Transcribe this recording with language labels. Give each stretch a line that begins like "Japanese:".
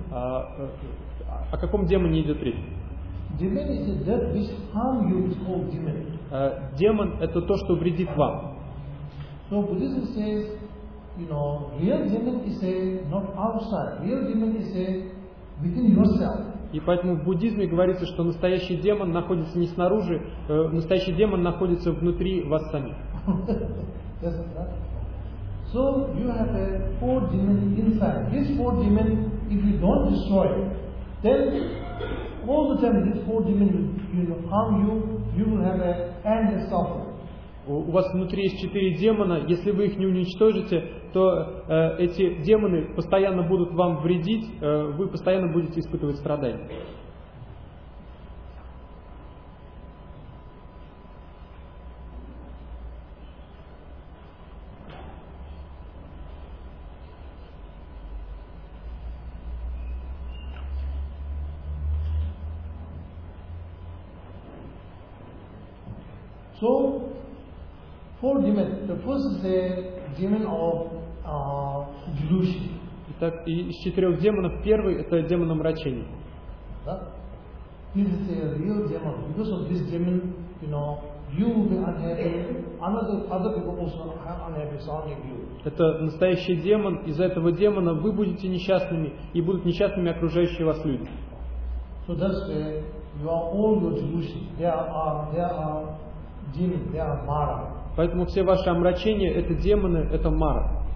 Russian: О каком демоне идет речь?
English: Demon is a death which harm you, is called demon.
Russian: Демон это то, что вредит вам.
English: So Buddhism says, you know, real demon is a not outside. Real demon is a within yourself.
Russian: И поэтому в буддизме говорится, что настоящий демон находится не снаружи, настоящий демон находится внутри вас самих.
English: Yes, right. So you have a four demon inside. These four demon, if you don't destroy, then all the time these four demon will harm you. You will have a end of suffering.
Russian: У вас внутри есть четыре демона. Если вы их не уничтожите, то эти демоны постоянно будут вам вредить, вы постоянно будете испытывать страдания.
English: So four demons. The first is the demon of delusion.
Russian: Итак, и из четырех демонов первый это демон омрачения.
English: This is a real demon. Because of this demon, you know, you will be unhappy. Other people also are unhappy surrounding you.
Russian: Это настоящий демон. Из-за этого демона вы будете несчастными и будут несчастными окружающие вас люди.
English: So that's where you are all your delusion. There are demons. There are Mara.
Russian: Поэтому все ваши омрачения – это демоны, это мара.